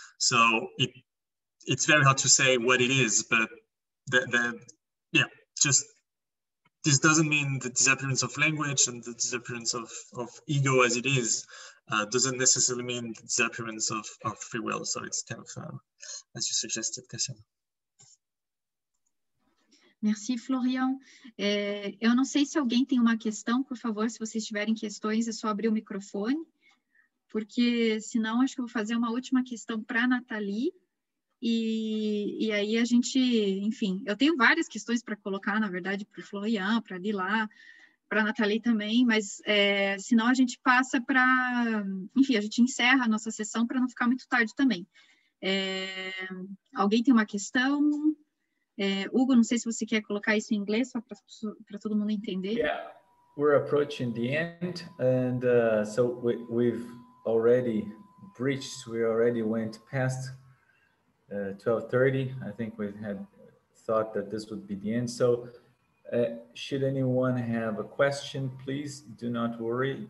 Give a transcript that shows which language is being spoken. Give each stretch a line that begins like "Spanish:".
English: So it's very hard to say what it is, but this doesn't mean the disappearance of language and the disappearance of ego as it is doesn't necessarily mean the disappearance of free will. So it's kind of as you suggested, Cassiana.
French: Merci, Florian.
Portuguese: Eu não sei se alguém tem uma questão, por favor, se vocês tiverem questões, é só abrir o microfone, porque senão acho que eu vou fazer uma última questão para a Nathalie, e aí a gente, enfim, eu tenho várias questões para colocar, na verdade, para o Florian, para a Lila, para a Nathalie também, mas senão a gente passa para, enfim, a gente encerra a nossa sessão para não ficar muito tarde também. Alguém tem uma questão? Hugo, não sei se você quer colocar isso em inglês só para todo mundo entender.
English: Yeah, we're approaching the end, and so we've already breached. We already went past 12:30. I think we had thought that this would be the end. So, should anyone have a question, please do not worry.